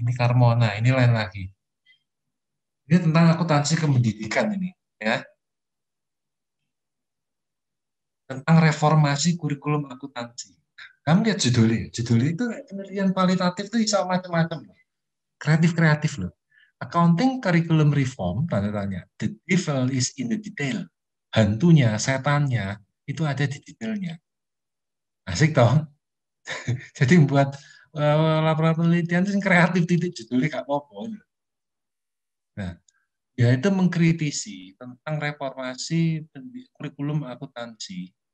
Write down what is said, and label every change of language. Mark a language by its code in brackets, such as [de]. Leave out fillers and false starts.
[id] Ini Carmona, ini lain lagi. Ini tentang akuntansi kependidikan ini, ya. Tentang reformasi kurikulum akuntansi. Kamu lihat judulnya. Judulnya itu penelitian kualitatif itu bisa macam-macam. Kreatif-kreatif loh. [en] Accounting Curriculum Reform, [id] tanda tanya, [en] the devil is in the detail. [id] Hantunya, setannya, itu ada di detailnya. Asik toh? Jadi buat laporan penelitian itu kreatif, titik judulnya gak apa-apa. Nah, ya itu mengkritisi tentang reformasi kurikulum akuntansi.